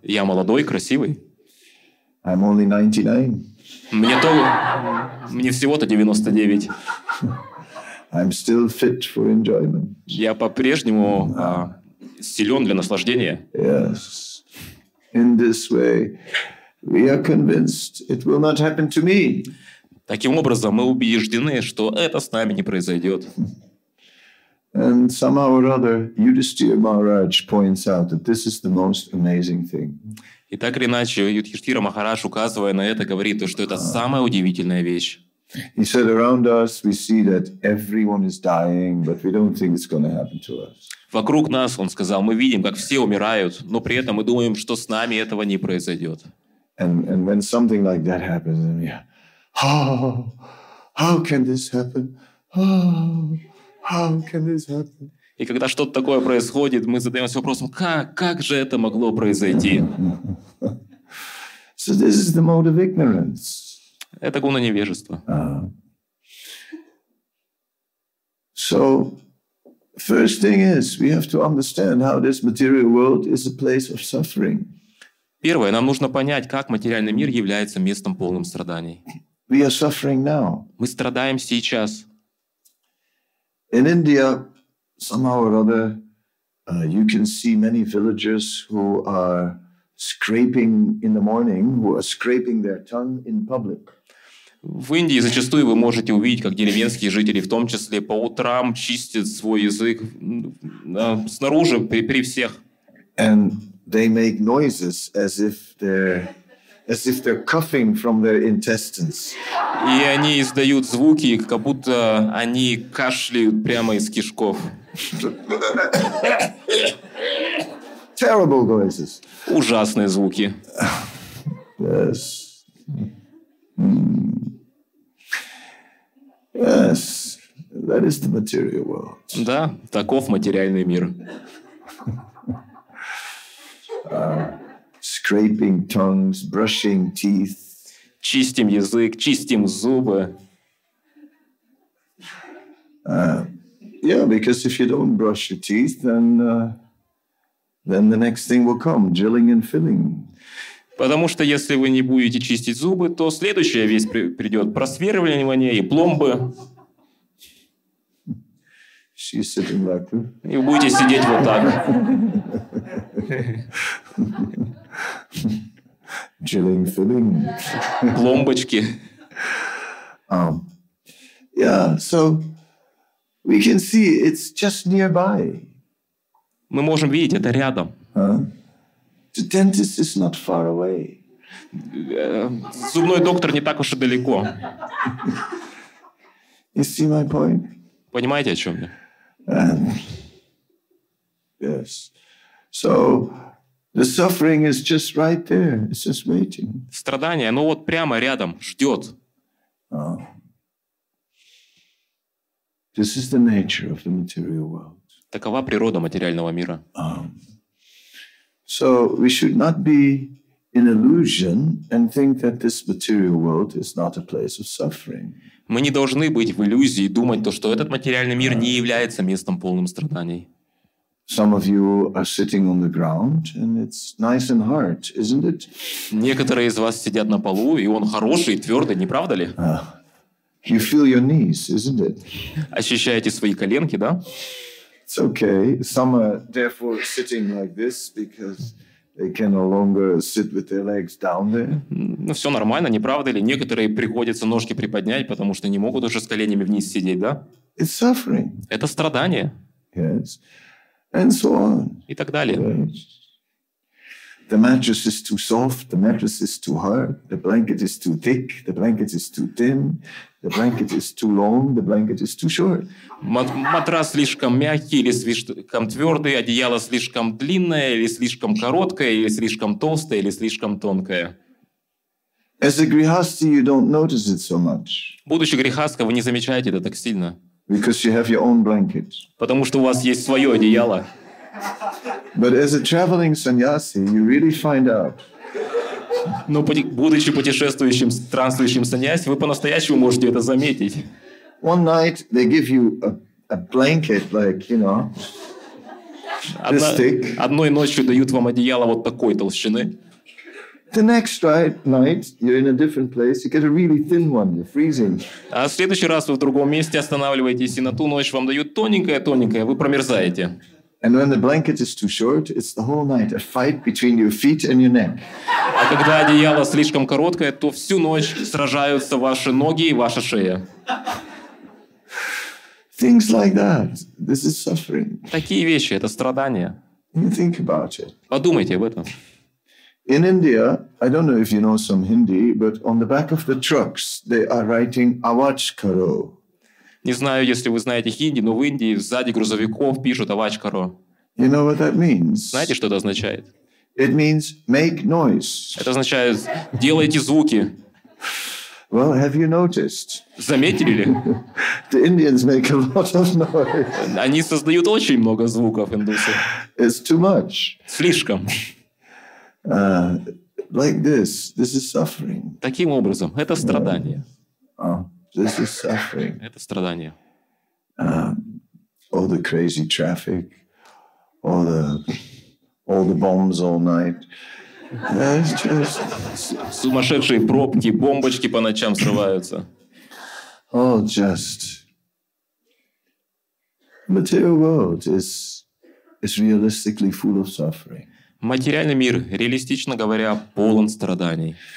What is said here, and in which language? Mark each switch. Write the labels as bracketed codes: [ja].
[ru] Я молодой, красивый. [en] I'm only 99. [ru] Мне всего-то 99. [en] I'm still fit for enjoyment. [ru] Я по-прежнему силен для наслаждения. [en] Yes. In this way. We are convinced it will not happen to me. [ru] Таким образом, мы убеждены, что это с нами не произойдет. [en] And somehow or other, Yudhishthira Maharaj points out that this is the most amazing thing. [ru] И так или иначе, Юдхиштхира Махарадж, указывая на это, говорит, что это самая удивительная вещь. [en] He said, around us we see that everyone is dying, but we don't think it's going to happen to us. [ru] Вокруг нас, он сказал, мы видим, как все умирают, но при этом мы думаем, что с нами этого не произойдет. [en] And when something like that happens, then how can this happen? How can this happen? [ru] И когда что-то такое происходит, мы задаемся вопросом, как же это могло произойти? [en] So this is the mode of ignorance. [ru] Это гуна невежества. [en] So first thing is, we have to understand how this material world is a place of suffering. [ru] Первое, нам нужно понять, как материальный мир является местом полным страданий. [en] We are suffering now. [ru] Мы страдаем сейчас. [en] In India, somehow or other, you can see many villagers who are scraping in the morning, who are scraping their tongue in public. [ru] В Индии зачастую вы можете увидеть, как деревенские жители, в том числе по утрам, чистят свой язык снаружи при всех. [en] And they make noises as if they're coughing from their intestines. [ru] И они издают звуки, как будто они кашляют прямо из кишков. [en] Terrible noises. [ru] Ужасные звуки. [en] Yes. Yes. That is the material world. [ru] Да, таков материальный мир. [en] Scraping tongues, brushing teeth. [ru] Чистим язык, чистим зубы. [en] Yeah, because if you don't brush your teeth, then the next thing will come, drilling and filling. [ru] Потому что если вы не будете чистить зубы, то следующая вещь придет – просверливание и пломбы. [en] She's sitting like that. [ru] И вы будете сидеть вот так. [en] Drilling, filling. [ru] Пломбочки. [en] Yeah, so we can see it's just nearby. [ru] Мы можем видеть, это рядом. [en] The dentist is not far away. [ru] Зубной доктор не так уж и далеко. [en] You see my point? [ru] Понимаете, о чем я? [en] Yes. So the suffering is just right there. It's just waiting. [ru] Страдание, оно вот прямо рядом, ждет. [en] This is the nature of the material world. [ru] Такова природа материального мира. [en] So we should not be in illusion and think that this material world is not a place of suffering. [ru] Мы не должны быть в иллюзии и думать то, что этот материальный мир не является местом полным страданий. [en] Some of you are sitting on the ground and it's nice and hard, isn't it? [ru] Некоторые из вас сидят на полу, и он хороший и твердый, не правда ли? [en] You feel your knees, isn't it? [ru] Ощущаете свои коленки, да? [en] It's okay. Some are therefore sitting like this because they can no longer sit with their legs down there. [ru] Ну все нормально, не правда ли? Некоторые приходится ножки приподнять, потому что не могут уже с коленями вниз сидеть, да? [en] It's suffering. [ru] Это страдание. [en] Yes. And so on. [ru] И так далее. Yes. [en] The mattress is too soft. The mattress is too hard. The blanket is too thick. The blanket is too thin. The blanket is too long. The blanket is too short. [ru] Матрас слишком мягкий или слишком твердый. Одеяло слишком длинное или слишком короткое или слишком толстое или слишком тонкое. [en] As a grihasthi, you don't notice it so much. [ru] Будучи грихастхой, вы не замечаете это так сильно. [en] Because you have your own blanket. [ru] Потому что у вас есть свое одеяло. [en] But as a traveling sannyasi, you really find out. [ru] Но будучи путешествующим, странствующим сannyasi, вы по-настоящему можете это заметить. [en] One night they give you a blanket, like you know, this thick. [ru] Одной ночью дают вам одеяло вот такой толщины. [en] The next night you're in a different place, you get a really thin one. You're freezing. [ru] А в следующий раз вы в другом месте останавливаетесь, и на ту ночь вам дают тоненькое, вы промерзаете. [en] And when the blanket is too short, it's the whole night a fight between your feet and your neck. [ru] А когда одеяло слишком короткое, то всю ночь сражаются ваши ноги и ваша шея. [en] Things like that. This is suffering. [ru] Такие вещи, это страдания. [en] You think about it. [ru] Подумайте об этом. [en] In India, I don't know if you know some Hindi, but on the back of the trucks they are writing "Avach Karo." [ru] Не знаю, если вы знаете хинди, но в Индии сзади грузовиков пишут «Авач Каро». [en] You know what that means? [ru] Знаете, что это означает? [en] It means make noise. [ru] Это означает «делайте звуки». [en] Well, have you noticed? [ru] Заметили ли? [en] The Indians make a lot of noise. [ru] Они создают очень много звуков, индусы. [en] It's too much. [ru] Слишком. [en] Like this. This is suffering. [ru] Таким образом, это страдание. [en] This is suffering. [ru] Это страдание. [en] All the crazy traffic, all the bombs all night. [ru] Сумасшедшие пробки, бомбочки по ночам срываются. [en] All just material world is realistically full of suffering. [ru] Материальный мир, реалистично говоря, полон страданий.